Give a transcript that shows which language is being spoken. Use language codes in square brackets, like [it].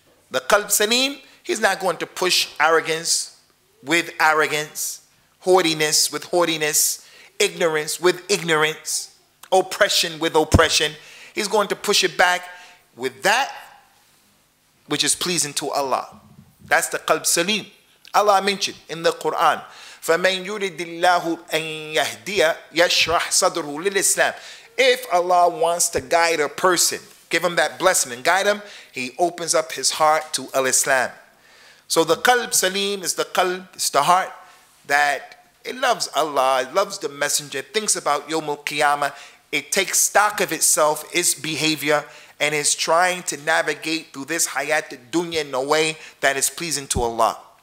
[en] The qalb saleem, he's not going to push arrogance with arrogance, haughtiness with haughtiness, ignorance with ignorance, oppression with oppression. He's going to push it back with that which is pleasing to Allah. That's the qalb saleem. Allah mentioned in the Quran, [ar] فَمَنْ يُرِدِ اللَّهُ أَنْ يَهْدِيَ يَشْرَحْ صَدْرُهُ لِلْإِسْلَامِ. [en] If Allah wants to guide a person, give him that blessing and guide him, he opens up his heart to al-Islam. So the qalb saleem is the qalb, it's the heart that it loves Allah, it loves the messenger, thinks about Yawm al-Qiyamah, it takes stock of itself, its behavior, and is trying to navigate through this hayat dunya in a way that is pleasing to Allah.